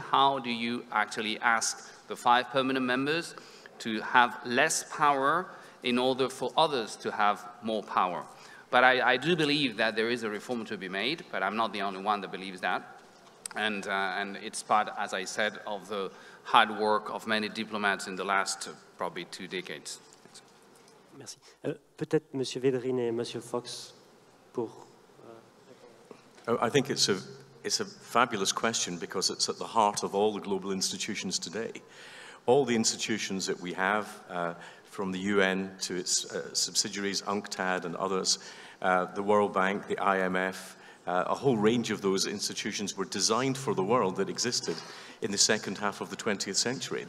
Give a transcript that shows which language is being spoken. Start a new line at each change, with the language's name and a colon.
English: How do you actually ask the five permanent members to have less power in order for others to have more power? But I do believe that there is a reform to be made, but I'm not the only one that believes that. And it's part, as I said, of the hard work of many diplomats in the last probably two decades.
French: Merci. Peut-être Monsieur Védrine et Monsieur Fox pour...
English: I think it's a fabulous question because it's at the heart of all the global institutions today. All the institutions that we have, from the UN to its subsidiaries, UNCTAD and others, the World Bank, the IMF, a whole range of those institutions were designed for the world that existed in the second half of the 20th century.